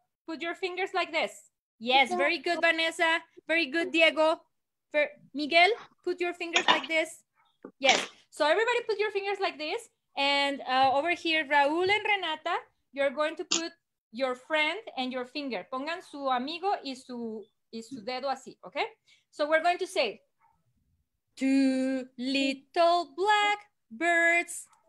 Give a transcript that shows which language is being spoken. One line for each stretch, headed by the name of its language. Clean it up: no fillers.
English: Put your fingers like this. Yes, very good, Vanessa. Very good, Diego. Miguel, put your fingers like this. Yes, so everybody put your fingers like this, and over here, Raúl and Renata, you're going to put your friend and your finger.
Spanish: Pongan su amigo y su dedo así, okay?
English: So we're going to say, two little black birds.